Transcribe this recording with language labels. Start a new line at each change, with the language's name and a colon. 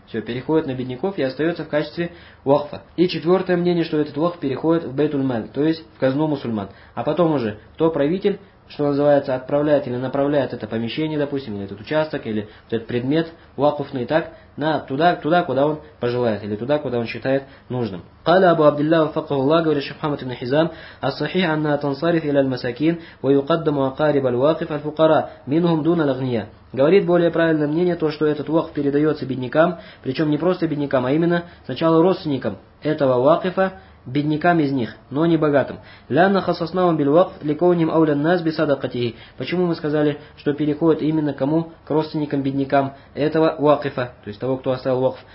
Russian: Все, переходит на бедняков и остается в качестве вакфа. И четвертое мнение, что этот вакф переходит в бейтуль-маль, то есть в казну мусульман. А потом уже, кто правитель, что называется, отправляет или направляет это помещение, допустим, или этот участок, или вот этот предмет вакфный, так, туда, куда он пожелает, или туда, куда он считает нужным.
Arabic: قال أبو عبد الله وفقه الله قال الشيخ محمد بن حزام الصحيح أنها تنصرف إلى المساكين ويقدم أقارب الواقف الفقراء منهم دون الأغنياء.
Russian: Говорит более правильное мнение то, что этот вакф передается беднякам, причем не просто беднякам, а именно сначала родственникам этого вакфа, беднякам из них, но не богатым.
Arabic: لَأَنَّ خَصَصْنَاهُمْ بِالْوَقْفِ لِكَوْنِهِمْ أَوْلَى النَّاسِ بِصَدَقَتِهِ.
Russian: Почему мы сказали, что переходит именно кому? К родственникам, беднякам этого вакфа, то есть того, кто оставил вакф.